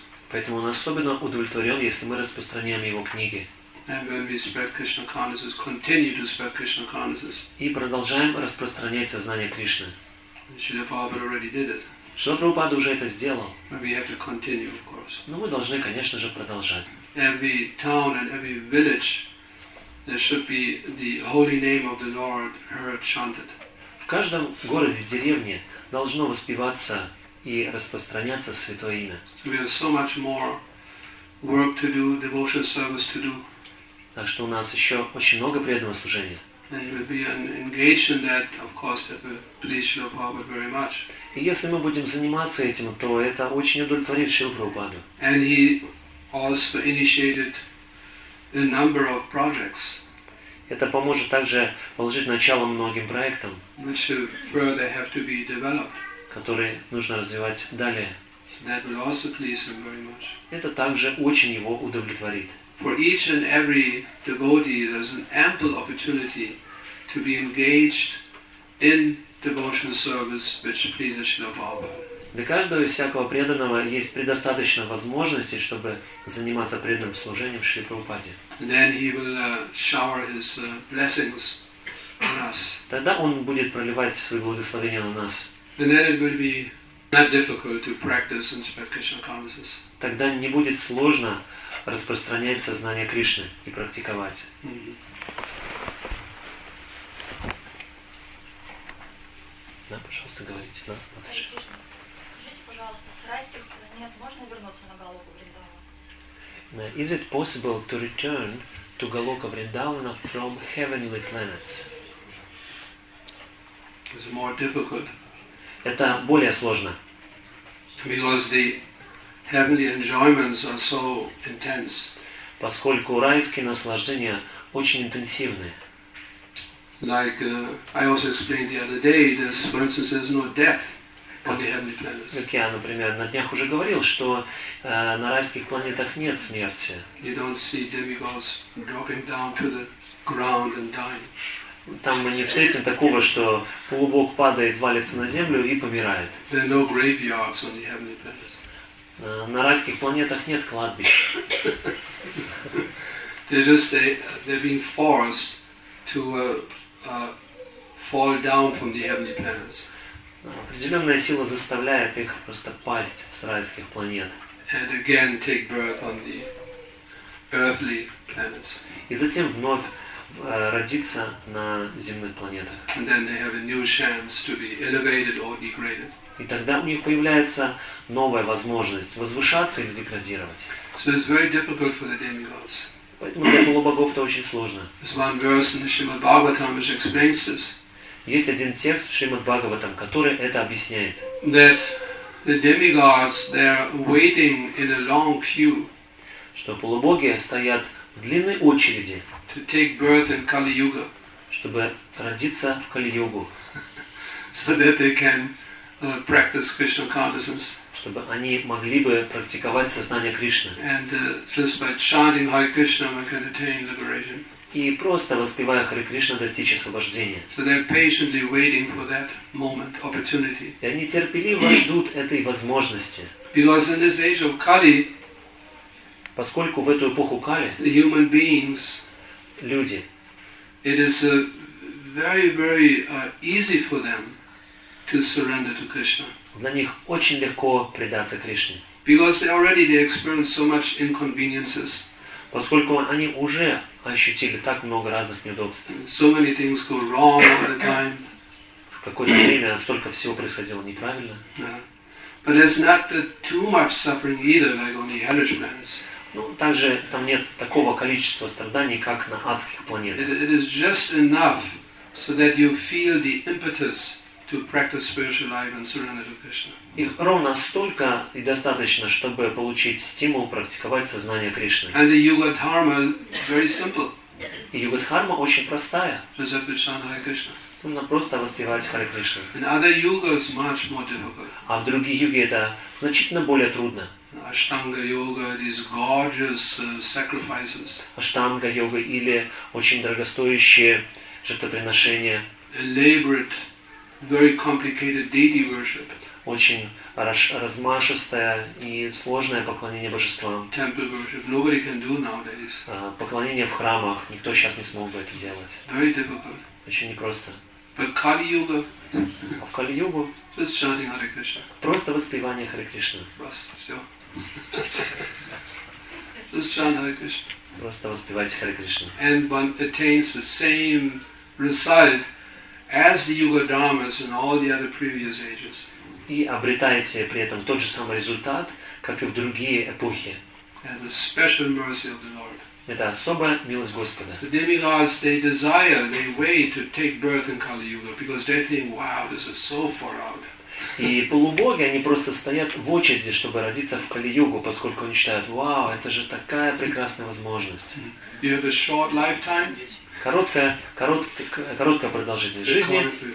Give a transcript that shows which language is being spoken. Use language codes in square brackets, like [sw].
[ru] Поэтому он особенно удовлетворен, если мы распространяем его книги. И продолжаем распространять сознание Кришны. Шрила Прабхупада уже сделал. Шрила Прабхупада уже это сделал. [en] We have to continue, of course. [ru] Но мы должны, конечно же, продолжать. [en] Every town and every village, there should be the holy name of the Lord heard chanted. [ru] В каждом городе, деревне должно воспеваться и распространяться святое имя. [en] We have so much more work to do, devotional service to do. [ru] Так что у нас еще очень много преданного служения. [en] And we'll be engaged in that, of course, that will please Srila Prabhupada very much. [ru] И если мы будем заниматься этим, то это очень удовлетворит Шрилу Прабхупаду. [en] And he also initiated a number of projects. [ru] Это поможет также положить начало многим проектам, [en] which will further have to be developed. [ru] Которые нужно развивать далее. [en] That will also please him very much. [ru] Это также очень его удовлетворит. [en] For each and every devotee, there's an ample opportunity to be engaged in devotional service which pleases Srila Prabhupada. [ru] Для каждого всякого преданного есть предостаточно возможностей, чтобы заниматься преданным служением Шри Прабхупаде. [en] Then he will shower his blessings on us. [ru] Тогда он будет проливать свои благословения на нас. [en] And then it will be not difficult to practice and spread Krishna consciousness. [ru] Тогда не будет сложно распространять сознание Кришны и практиковать. Mm-hmm. Да, пожалуйста, говорите. Да, скажите, пожалуйста, с райских планет можно вернуться на Галоку Вриндавана? [en] Is it possible to return to Галока Вриндавана from heavenly planets? It's more difficult. [ru] Это более сложно. [en] Because the heavenly enjoyments are so intense. [ru] Поскольку райские наслаждения очень интенсивны. [en] Like I also explained the other day, there's, for instance, there's no death on the heavenly planets. [ru] Как я, например, на днях уже говорил, что на райских планетах нет смерти. [en] You don't see demigods dropping down to the ground and dying. [ru] Там мы не встретим такого, что полубог падает, валится на землю и помирает. [en] There are no graveyards on the heavenly planets. [ru] На райских планетах нет кладбищ. [en] They just say they're being forced to fall down from the heavenly planets. [ru] Определенная сила заставляет их просто пасть с райских планет. [en] And again take birth on the earthly planets. [ru] И затем вновь родиться на земных планетах. [en] And then they have a new chance to be elevated or degraded. [ru] И тогда у них появляется новая возможность возвышаться или деградировать. [en] So it's very difficult for the demigods. [ru] Поэтому для полубогов-то очень сложно. [en] There's one verse in the Shrimad Bhagavatam which explains this. [ru] Есть один текст в Шримад Бхагаватам, который это объясняет. [en] That the demigods, they're waiting in a long queue. [ru] Что полубоги стоят в длинной очереди. [en] To take birth in Kali Yuga. [ru] Чтобы родиться в Кали-Югу. [en] So that they can practice Krishna consciousness. [ru] Чтобы они могли бы практиковать сознание Кришны. [en] And just by chanting Hare Krishna we can attain liberation. [ru] И просто воспевая Харе Кришна достичь освобождения. [en] So they're patiently waiting for that moment, opportunity. [ru] И они терпеливо ждут этой возможности. [en] Because in this age of Kali, [ru] поскольку в эту эпоху Кали, [en] the human beings, [ru] люди. [en] It is very, very easy for them to surrender to Krishna. [ru] Для них очень легко предаться Кришне. [en] Because they already they experienced so much inconveniences. [ru] Поскольку они уже ощутили так много разных неудобств. [en] So many things go wrong all the time. [ru] В какое-то время столько всего происходило неправильно. Yeah. [en] But there's not too much suffering either, like on the hellish planets. [ru] Ну, также там нет такого количества страданий, как на адских планетах. [en] It is just enough so that you feel the impetus to practice spiritual life and surrender to Krishna. [ru] Их ровно столько и достаточно, чтобы получить стимул практиковать сознание Кришны. [en] And the Yuga Dharma is very simple. [ru] И Юга Дхарма очень простая. [en] Just to chant Hare Krishna. [ru] Нужно просто воспевать Харе Кришна. [en] In other yugas much more difficult. [ru] А в других юге это значительно более трудно. [en] Ashtanga yoga, these gorgeous sacrifices. [ru] Ashtanga yoga или очень дорогостоящие жертвоприношения. [en] Elaborate, very complicated deity worship. [ru] Очень размашистое и сложное поклонение божествам. [en] Temple worship nobody can do nowadays. [ru] Поклонение в храмах никто сейчас не смог бы это делать. [en] Very difficult. [ru] Очень непросто. [en] But Kali yoga. [ru] А в Кали йогу? [en] Just chanting Hare Krishna. [ru] Просто воспевание Харе Кришны. Бас, все. [en] Just chant Hare Krishna. [ru] Просто воспевать Харе Кришну. [en] And one attains the same result as the Yuga Dharmas in all the other previous ages. [ru] И обретаете при этом тот же самый результат, как и в другие эпохи. [en] As a special mercy of the Lord. [ru] Это особая милость Господа. [en] The demigods they desire, they wait to take birth in Kali Yuga because they think, wow, this is so far out. [ru] И полубоги, они просто стоят в очереди, чтобы родиться в Кали-Югу, поскольку они считают, вау, это же такая прекрасная возможность. [en] You have a short lifetime. [ru] Короткая продолжительность жизни.